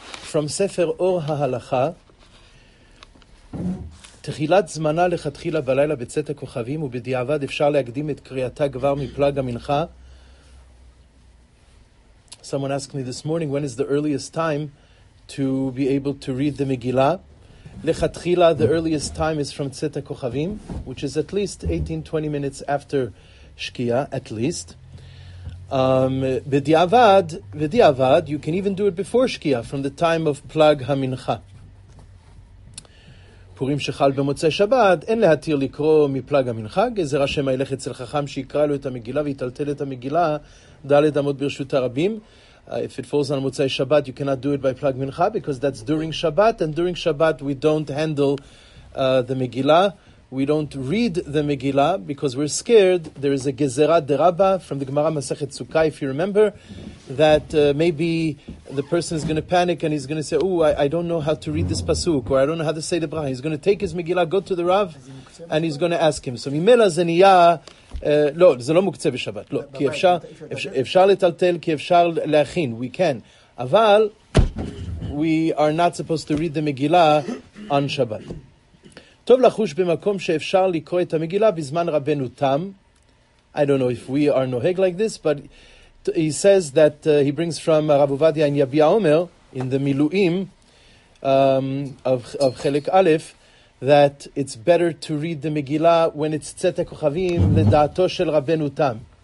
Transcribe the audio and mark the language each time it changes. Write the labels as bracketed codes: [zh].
[en] From Sefer Or HaHalacha, [he] תחילת זמנה לכתחילה בלילה בצאת הכוכבים, ובדיעבד אפשר להקדים את קריאתה כבר מפלג המנחה. [en] Someone asked me this morning, when is the earliest time to be able to read the Megillah? לכתחילה, the earliest time is from צאת הכוכבים, which is at least 18-20 minutes after שקיעה, at least. בדיעבד, you can even do it before שקיעה, from the time of פלג המנחה. [he] פורים שחל במוצאי שבת, אין להתיר לקרוא מפלג המנחה, גזר השם הילך אצל חכם שיקרא לו את המגילה ויטלטל את המגילה, דלת עמוד ברשות הרבים. [en] If it falls on מוצאי שבת, you cannot do it by פלג מנחה, because that's during שבת, and during שבת we don't handle the מגילה, we don't read the מגילה, because we're scared, there is a גזרה דרבה, from the גמרא מסכת סוכה, if you remember, that maybe the person is going to panic and he's going to say, oh, I don't know how to read this pasuk, or I don't know how to say the bracha. He's going to take his Megillah, go to the Rav, and he's going to ask him. [he] So, Mimela Zeniya, no, זה לא מוקצה בשבת, לא, כי אפשר לטלטל, כי אפשר להכין, [en] we can. [he] אבל, [en] we are not supposed to read the Megillah on Shabbat. [he] טוב לחוש במקום שאפשר לקרוא את המגילה בזמן רבנו תם. [en] I don't know if we are nohag like this, but he says that he brings from Rav Ovadia in Yabia Omer, in the Miluim of Chelek Aleph, that it's better to read the Megillah when it's Tzete Kochavim, Ledaato Shel Rabbeinu Tam.